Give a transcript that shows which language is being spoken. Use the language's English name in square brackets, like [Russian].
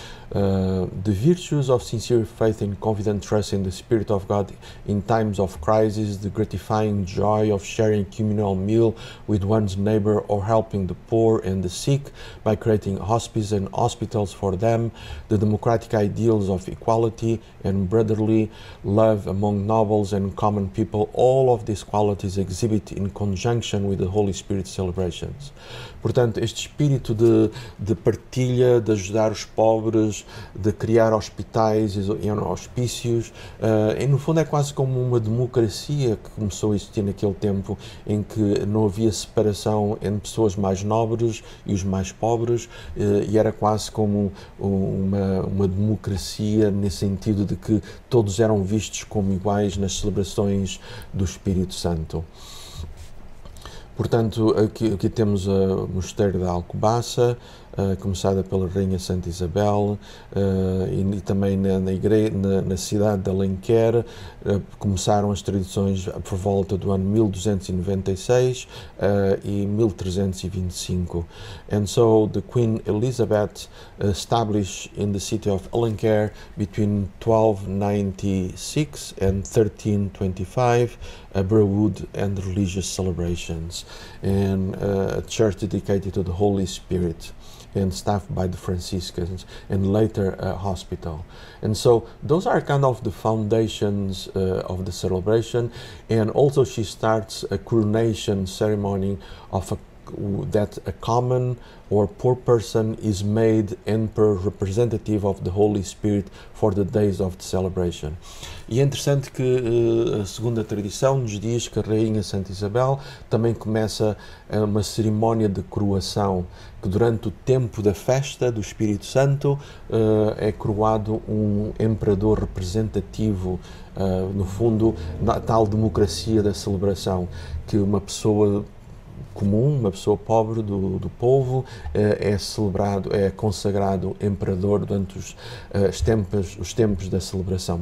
[English] The virtues of sincere faith and confident trust in the Spirit of God in times of crisis, the gratifying joy of sharing a communal meal with one's neighbor or helping the poor and the sick by creating hospices and hospitals for them, the democratic ideals of equality and brotherly love among nobles and common people, all of these qualities exhibit in conjunction with the Holy Spirit celebrations. [Portuguese] Portanto, este espírito de partilha, de ajudar os pobres, de criar hospitais e hospícios, e no fundo é quase como uma democracia que começou a existir naquele tempo em que não havia separação entre pessoas mais nobres e os mais pobres, e era quase como uma democracia nesse sentido de que todos eram vistos como iguais nas celebrações do Espírito Santo. Portanto, aqui temos o Mosteiro da Alcobaça, começada pela Rainha Santa Isabel, e também na igreja, na cidade de Alenquer, começaram as tradições por volta do ano 1296 e 1325. [English] And so the Queen Elizabeth established in the city of Alenquer between 1296 and 1325 a Brewood and religious celebrations and a church dedicated to the Holy Spirit and staffed by the Franciscans, and later a hospital. And so those are kind of the foundations of the celebration, and also she starts a coronation ceremony that a common or poor person is made emperor representative of the Holy Spirit for the days of the celebration. [Portuguese] E é interessante que a segunda tradição nos diz que a Rainha Santa Isabel também começa uma cerimónia de coroação, que durante o tempo da festa do Espírito Santo é coroado um imperador representativo, no fundo, na tal democracia da celebração, que uma pessoa comum, uma pessoa pobre do povo, é celebrado, é consagrado imperador durante os tempos da celebração.